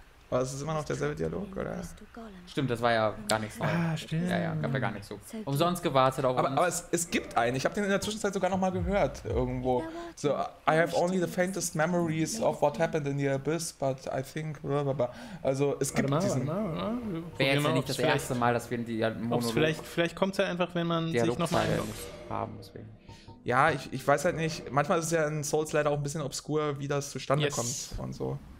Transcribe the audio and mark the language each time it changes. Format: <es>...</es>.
<de>Aber es ist immer noch derselbe Dialog, oder? Stimmt, das war ja gar nichts. Stimmt. Ja, gab ja gar nichts so. Umsonst gewartet auf uns. Aber es gibt einen. Ich habe den in der Zwischenzeit sogar nochmal gehört irgendwo.</de> <en>So, I have only the faintest memories of what happened in the abyss, but I think...</en> <de>Also, es gibt diesen... Wäre jetzt ja nicht das erste Mal, dass wir in die Monolog... Vielleicht kommt es ja einfach, wenn man sich nochmal... Dialog haben, deswegen. Ja, ich weiß halt nicht. Manchmal ist es ja in Souls leider auch ein bisschen obskur, wie das zustande kommt und so.</de>